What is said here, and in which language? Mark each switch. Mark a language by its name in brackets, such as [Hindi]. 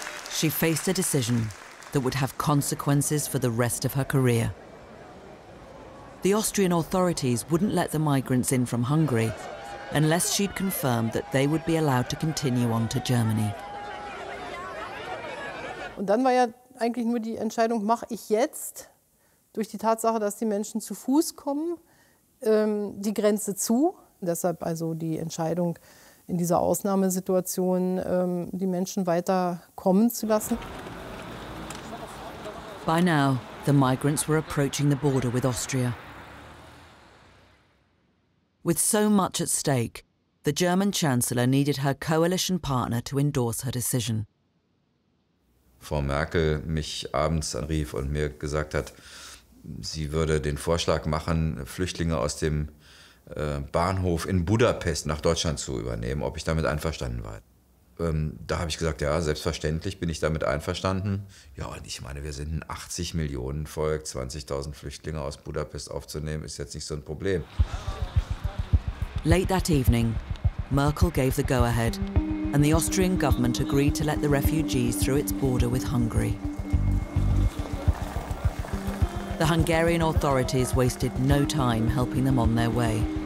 [English] She faced a decision that would have consequences for the rest of her career. The Austrian authorities wouldn't let the migrants in from Hungary unless she'd confirmed that they would be allowed to continue on to Germany. [German] Und dann war ja eigentlich nur die Entscheidung, mache ich jetzt durch die Tatsache, dass die Menschen zu Fuß kommen, die Grenze zu, deshalb also die Entscheidung in dieser Ausnahmesituation die Menschen weiter kommen zu lassen. [English] By now the migrants were approaching the border with Austria. With so much at stake, the German Chancellor needed her coalition partner to endorse her decision. [German] Frau Merkel mich abends anrief und mir gesagt hat, sie würde den Vorschlag machen, Flüchtlinge aus dem Bahnhof in Budapest nach Deutschland zu übernehmen, ob ich damit einverstanden war. Da habe ich gesagt, ja, selbstverständlich bin ich damit einverstanden. Ja, und ich meine, wir sind ein 80-Millionen-Volk, 20.000 Flüchtlinge aus Budapest aufzunehmen, ist jetzt nicht so ein Problem. [English] Late that evening, Merkel gave the go-ahead, and the Austrian government agreed to let the refugees through its border with Hungary. The Hungarian authorities wasted no time helping them on their way.